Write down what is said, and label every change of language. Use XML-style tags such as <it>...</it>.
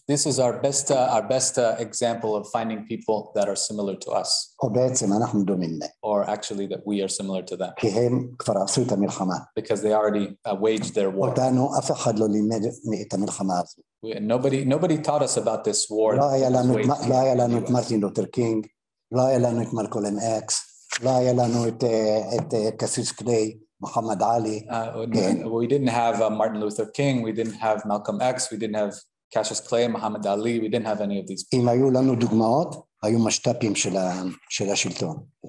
<en>This is our best example of finding people that are similar to us.</en> <he>או בעצם אנחנו דומים להם.</he> <en>Or actually that we are similar to them.</en> <he>כי הם כבר עשו את המלחמה.</he> <en>Because they already waged their war.</en> <he>אותנו אף אחד לא לימד את המלחמה הזו.</he> <en>Nobody taught us about this war.</en> <he>לא היה לנו את מרטין לותר קינג, לא היה לנו את מלקולם אקס, לא היה לנו את קסיס קליי, מוחמד עלי.</he> <en>We didn't have Martin Luther King, we didn't have Malcolm X, we didn't have Cassius Clay, Muhammad Ali, we didn't have any of these people.</en> <he>אם היו לנו דוגמאות, היו משת"פים של השלטון.</he>